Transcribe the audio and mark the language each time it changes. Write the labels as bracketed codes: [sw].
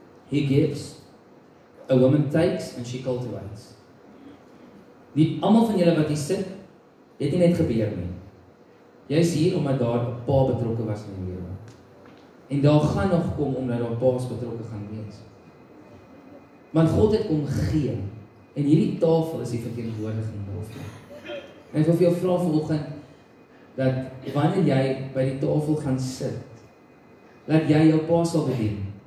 [en] He gives, a woman takes, and she cultivates. [af] Nie almal van julle wat hier sit, het nie net gebeur nie. Jy is hier omdat daar 'n pa betrokke was in jou lewe. En daar gaan nog kom omdat daar pa's betrokke gaan wees. Want God het kom gee. En hierdie tafel is die verteenwoordiging daarvan. En ek wil vir jou vra vanoggend dat wanneer jy by die tafel gaan sit, dat jy jou pa sal bedien.